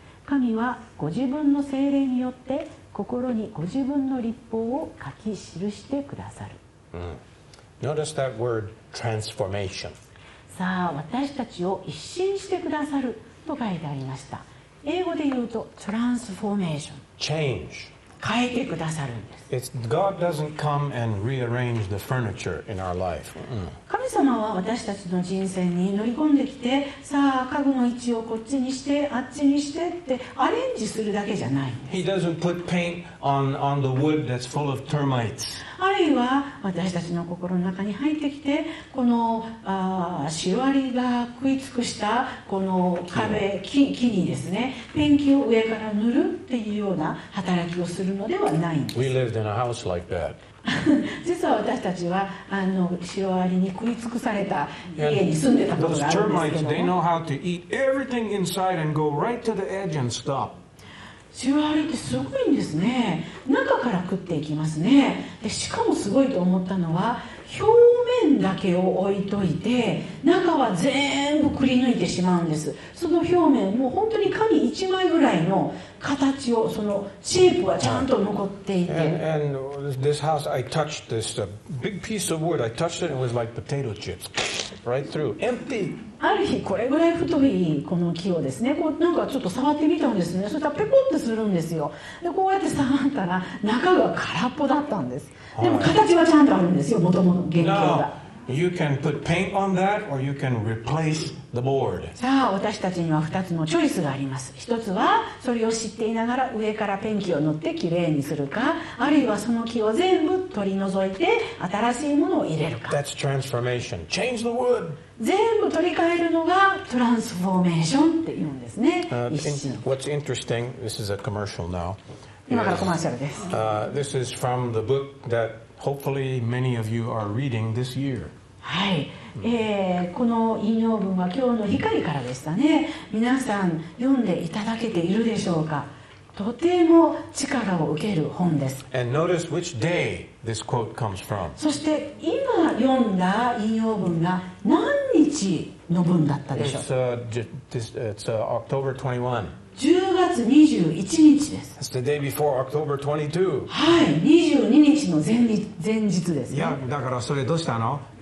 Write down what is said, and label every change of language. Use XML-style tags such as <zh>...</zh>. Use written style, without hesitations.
<ja>神はご自分の聖霊によって心にご自分の律法を書き記してくださる。</ja> <en>Notice that word, transformation.</en> <ja>さあ、私たちを一新してくださると書いてありました。英語で言うと、transformation。</ja> <en>Change。</en> <ja>変えてくださるんです。</ja> <en>It's, God doesn't come and rearrange the furniture in our life.、</en> <ja>神様は私たちの人生に乗り込んできて、さあ、家具の位置をこっちにして、あっちにしてってアレンジするだけじゃないんです。</ja> <en>He doesn't put paint on the wood that's full of termites.</en> <ja>あるいは私たちの心の中に入ってきて、このシワリが食い尽くしたこの壁、木にですね、ペンキを上から塗るっていうような働きをするのではないんです。</ja> <en>We lived in a house like that.</en> <ja>実は私たちはシロアリに食い尽くされた家に住んでたことがあるんですけども、</ja> <en>they know how to eat everything inside and go right to the edge and stop。</en> <ja>シロアリってすごいんですね。中から食っていきますね。でしかもすごいと思ったのは、表面だけを置いといて中は全部くり抜いてしまうんです。その表面もう本当に紙一枚ぐらいの形を、そのシェイプはちゃんと残っていて、</ja> <en>and this house, I touched this big piece of wood, I touched it and it was like potato chips right through, empty。</en> <ja>ある日これぐらい太いこの木をですね、こうなんかちょっと触ってみたんですね。そしたらペコッとするんですよ。でこうやって触ったら中が空っぽだったんです。でも形はちゃんとあるんですよ、もともと原型が。</ja> <en>You can put paint on that, or you can replace the board.</en> <ja>さあ、私たちには2つのチョイスがあります。1つは、それを知っていながら上からペンキを塗ってきれいにするか、あるいはその木を全部取り除いて新しいものを入れるか。</ja> <en>That's transformation. Change the wood.</en> <ja>全部取り替えるのがトランスフォーメーションって言うんですね。</ja> <en>What's interesting, this is a commercial now.</en> <ja>今からコマーシャルです。</ja> <en>This is from the book thatHopefully many of you are reading this year.</en> <ja>はい、この引用文は今日の光からでしたね。皆さん読んでいただけているでしょうか。とても力を受ける本です。</ja> <en>And notice which day this quote comes from.</en> <ja>そして今読んだ引用文が何日の文だったでしょう。</ja> <en>It's October 21.</en> <ja>10月21日です。</ja> <en>It's the day before October 22.</en> <ja>はい、22日の前日ですね。いや、だからそれどうしたの？</ja>